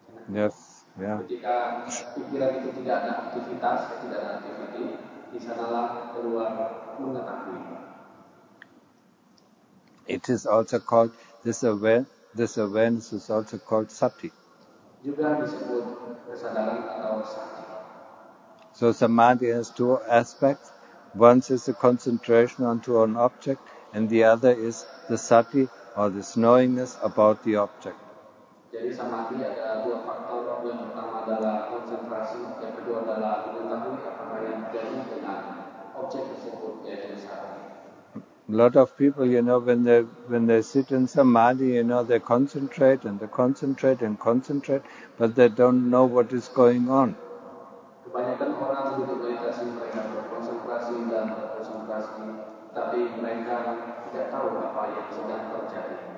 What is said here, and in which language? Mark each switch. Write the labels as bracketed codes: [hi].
[en] Yes, yeah. [id] Ketika pikiran itu tidak ada aktivitas, tidak ada activity, di sanalah keluar mengetahui. [en] It is also called this awareness. This awareness is also called sati. [id] Juga disebut kesadaran atau sati. [en] So samadhi has two aspects. One is the concentration onto an object, and the other is the sati, or this knowingness about the object. [id] Jadi samadhi ada dua faktor. Yang pertama adalah konsentrasi, yang kedua adalah mengetahui apa yang terjadi dengan objek tersebut, yaitu sati. [en] A lot of people, you know, when they sit in samadhi, you know, they concentrate and they concentrate and concentrate, but they don't know what is going on. [id] Kebanyakan orang sedang meditasi, mereka berkonsentrasi dan berkonsentrasi, tapi mereka tidak tahu apa yang sedang terjadi.